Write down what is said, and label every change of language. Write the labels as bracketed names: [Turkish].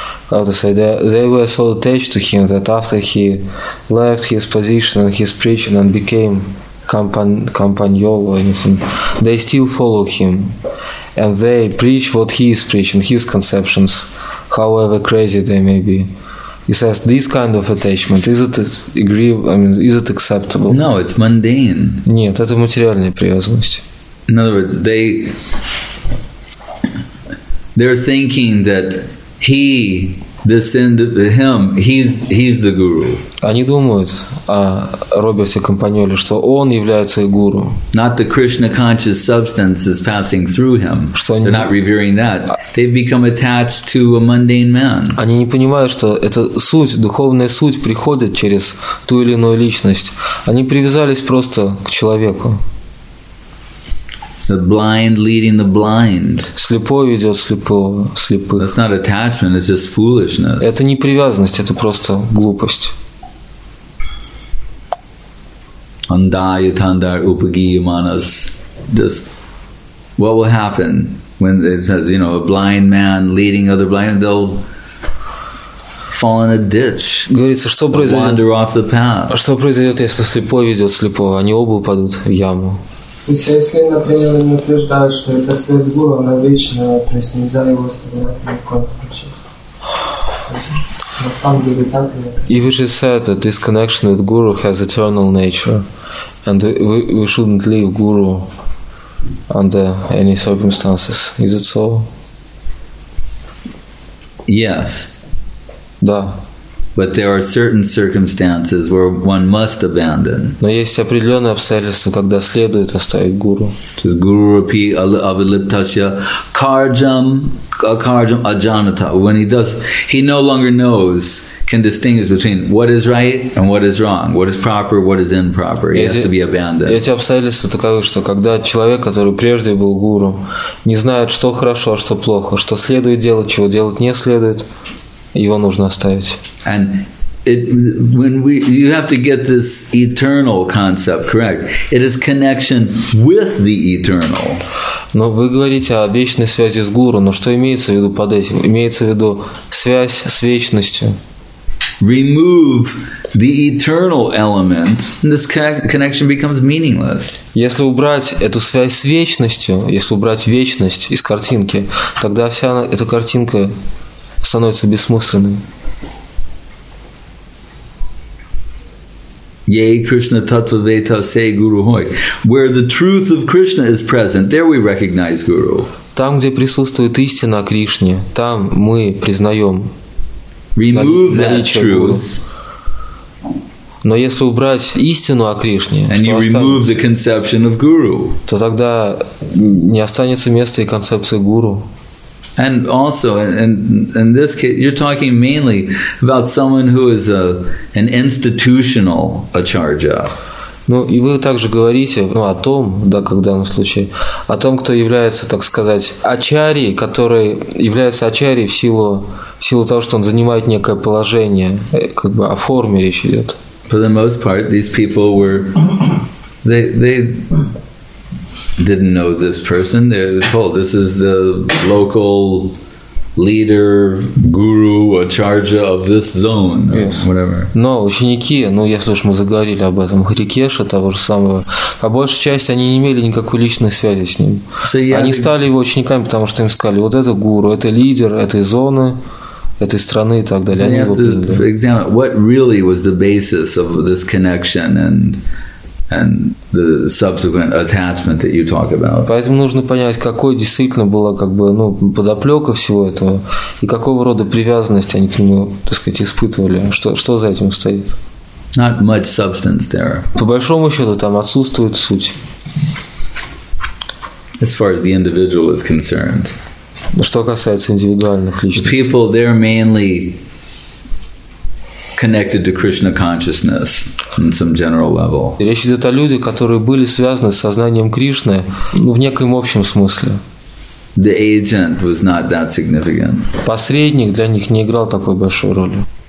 [English] How to say, they were so attached to him that after he left his position and his preaching and became companion or anything, they still follow him and they preach what he is preaching, his conceptions, however crazy they may be. He says, this kind of attachment, is it acceptable? No, it's mundane. [Russian] Нет, это материальная привязанность. [English] In other words, they... they're thinking that he, this him, he's the guru. [Russian] Они думают о Роберте Компаньоле, что он является гуру. [English] Not the Krishna conscious substance is passing through him. They're not revering that. They've become attached to a mundane man. [Russian] Они не понимают, что эта суть, духовная суть приходит через ту или иную личность. Они привязались просто к человеку. [English] The blind leading the blind. [Russian] Слепой ведет слепого, слепых. [English] That's not attachment, it's just foolishness. [Russian] Это не привязанность, это просто глупость. [Sanskrit] Andaya tandar upagiyamanas. [English] Just what will happen when it says, you know, a blind man leading other blind, they'll fall in a ditch. [Russian] Говорится, что произойдет? [English] Wander off the path. [Russian] Что произойдет, если слепой ведет слепого? Они оба упадут в яму. То есть, если, например, они утверждают, что эта связь гуру, она вечная, то есть нельзя его оставлять ни в коем случае. На самом деле так или нет? [English] If we just said that this connection with guru has eternal nature, and we shouldn't leave guru under any circumstances, is it so? Yes. [Russian] Да. [English] But there are certain circumstances where one must abandon. [Russian] Но есть определенные обстоятельства, когда следует оставить гуру. [Sanskrit] Just guru api avaliptasya karjam akarjam ajanata. [English] When he does, he no longer knows, can distinguish between what is right and what is wrong, what is proper, what is improper. He has to be abandoned. [Russian] Эти обстоятельства таковы, что когда человек, который прежде был гуру, не знает, что хорошо, что плохо, что следует делать, чего делать не следует. Его нужно оставить. [English] And it, when we, you have to get this eternal concept correct. It is connection with the eternal. [Russian] Но вы говорите о вечной связи с гуру. Но что имеется в виду под этим? Имеется в виду связь с вечностью. [English] Remove the eternal element, and this connection becomes meaningless. [Russian] Если убрать эту связь с вечностью, если убрать вечность из картинки, тогда вся эта картинка становится бессмысленным. [Bangla] Yea, Krishna tattva veta se guru hoy. [English] Where the truth of Krishna is present, there we recognize guru. [Russian] Там, где присутствует истина о Кришне, там мы признаем наличие гуру. Но если убрать истину о Кришне, [English] and you remove the conception of guru, [Russian] то тогда не останется места и концепции гуру. [English] And also, in this case, you're talking mainly about someone who is an institutional acharya. [Russian] Ну, и вы также говорите, ну, о том, да, как в данном случае, о том, кто является, так сказать, ачарьей, который является ачарьей в силу того, что он занимает некое положение, как бы о форме речь идет. [English] For the most part, these people were they didn't know this person. They're told this is the local leader, guru, acharya of this zone, or yes, whatever. [Russian] Но ученики, ну если уж мы заговорили об этом, Харикеша того же самого, по большей части они не имели никакой личной связи с ним. Они стали его учениками, потому что им сказали, вот это гуру, это лидер этой зоны, этой страны и так далее. Они его приняли. [English] What really was the basis of this connection and the subsequent attachment that you talk about. [Russian] Поэтому нужно понять, какой действительно была как бы, ну, подоплёка всего этого и какого рода привязанность они к нему, так сказать, испытывали. Что за этим стоит? [English] Not much substance there. [Russian] По большому счёту там отсутствует суть. [English] As far as the individual is concerned. [Russian] Что касается индивидуальных личностей. [English] The people, they're mainly connected to Krishna consciousness on some general level. [Russian] Речь идет о людях, которые были связаны с сознанием Кришны, ну, в некоем общем смысле. [English] The agent was not that significant. [Russian] Посредник для них не играл такой большой роли.